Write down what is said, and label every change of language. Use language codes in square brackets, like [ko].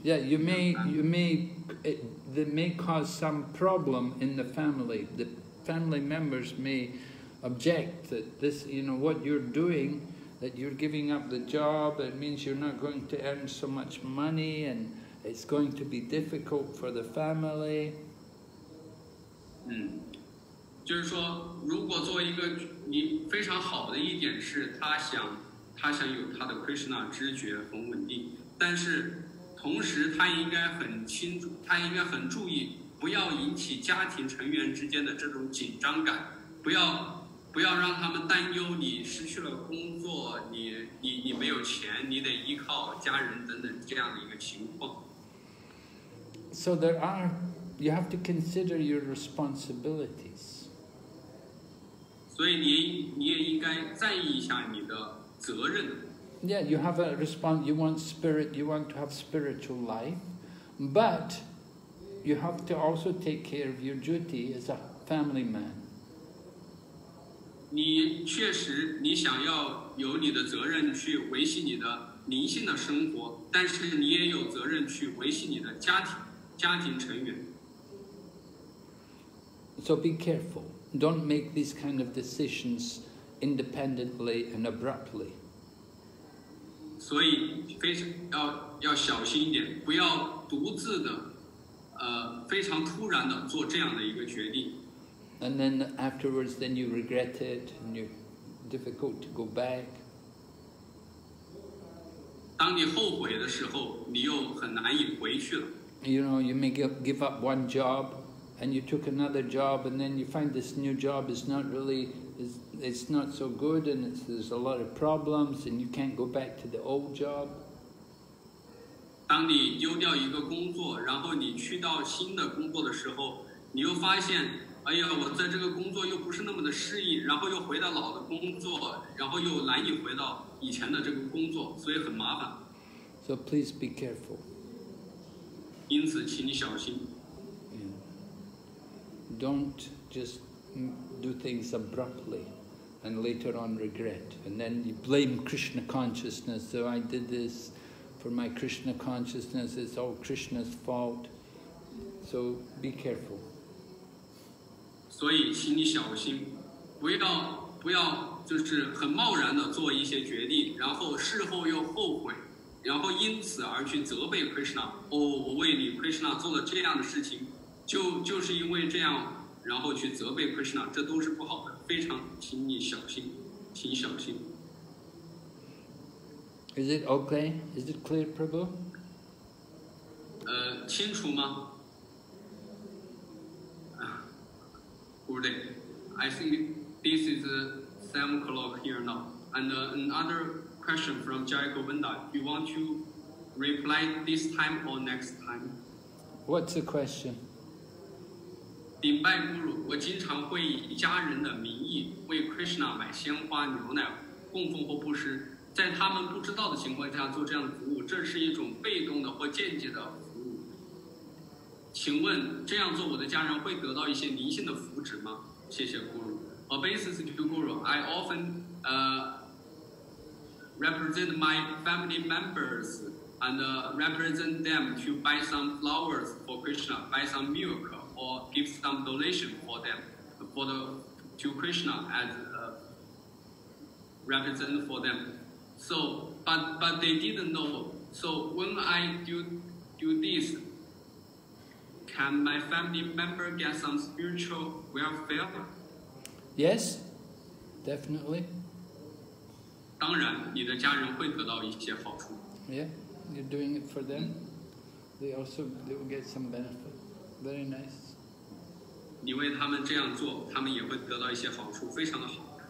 [en] Yeah, they may cause some problem in the family. The family members may object that this, you know, what you're doing, that you're giving up the job, it means you're not going to earn so much money and it's going to be difficult for the family. [zh] 就是说如果作为一个你非常好的一点是他想有他的 Krishna 知觉很稳定，但是同时他应该很清楚，他应该很注意不要引起家庭成员之间的这种紧张感，不要让他们担忧你失去了工作，你没有钱，你得依靠家人等等这样的一个情况。 [en] So there are, you have to consider your responsibilities. [zh] 所以你也应该在意一下你的责任。 [en] Yeah, you have a response, you want spirit, you want to have spiritual life, but you have to also take care of your duty as a family man. [zh] 你确实你想要有你的责任去维系你的灵性的生活，但是你也有责任去维系你的家庭成员。 [en] So be careful. Don't make these kind of decisions independently and abruptly. [zh] 所以非常要小心一点，不要独自的非常突然的做这样的一个决定。 [en] And then afterwards, then you regret it, and you're difficult to go back. [zh] 当你后悔的时候，你又很难以回去了。 [en] You know, you may give up one job, and you took another job, and then you find this new job is not really... It's not so good, and there's a lot of problems, and you can't go back to the old job. [zh] 当你丢掉一个工作，然后你去到新的工作的时候，你又发现，哎呀，我在这个工作又不是那么的适应，然后又回到老的工作，然后又难以回到以前的这个工作，所以很麻烦。 [en] So please be careful. [zh] 因此，请你小心。 [en] Don't just. Do things abruptly and later on regret, and then you blame Krishna consciousness. So I did this for my Krishna consciousness, it's all Krishna's fault. So be careful. [zh] 所以请你小心，不要就是很贸然的做一些决定，然后事后又后悔，然后因此而去责备 Krishna， 哦，我为你 Krishna 做了这样的事情，就是因为这样，然后去责备 Krishna， 这都是不好的，非常，请你小心，请小心。 [en] Is it okay? Is it clear, Prabhu? [zh] 清楚吗？ [en] Today, I think this is 7 o'clock here now. And another question from Jai Govinda. Do you want to reply this time or next time? What's the question? [zh] 顶拜咕噜，我经常会以家人的名义为 Krishna 买鲜花、牛奶、供奉或布施，在他们不知道的情况下做这样的服务，这是一种被动的或间接的。请问这样做我的家人会得到一些灵性的福祉吗？谢谢 [en] Guru. A basis to Guru, I often represent my family members and represent them to buy some flowers for Krishna, buy some milk or give some donation for them, to Krishna as represent for them. So, but they didn't know. So when I do this,Can my family member get some spiritual welfare? Yes, definitely. [zh] 当然，你的家人会得到一些好处。 [en] Yeah, you're doing it for them. They also they will get some benefit. Very nice. [zh] 你为他们这样做，他们也会得到一些好处，非常的好。